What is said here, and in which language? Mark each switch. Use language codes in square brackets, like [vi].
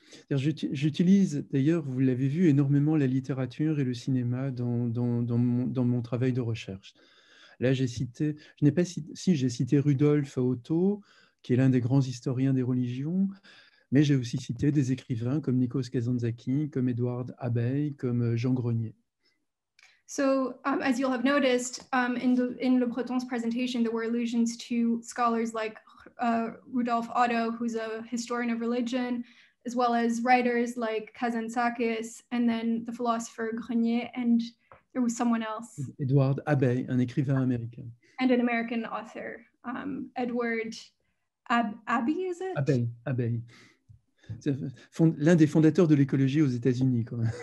[fr] J'utilise d'ailleurs, vous l'avez vu, énormément la littérature et le cinéma dans mon travail de recherche. Là, j'ai cité Rudolf Otto, qui est l'un des grands historiens des religions, mais j'ai aussi cité des écrivains comme Nikos Kazantzakis, comme Edouard Abeille, comme Jean Grenier. [en] So, as you'll have noticed, in Le Breton's presentation, there were allusions to scholars like Rudolf Otto, who's a historian of religion, as well as writers like Kazantzakis, and then the philosopher Grenier, and there was someone else. [fr] Edouard Abeille, un écrivain américain. [en] And an American author, Edward Abbey, is it? [fr] Abeille. C'est l'un des fondateurs de l'écologie aux États-Unis, quoi.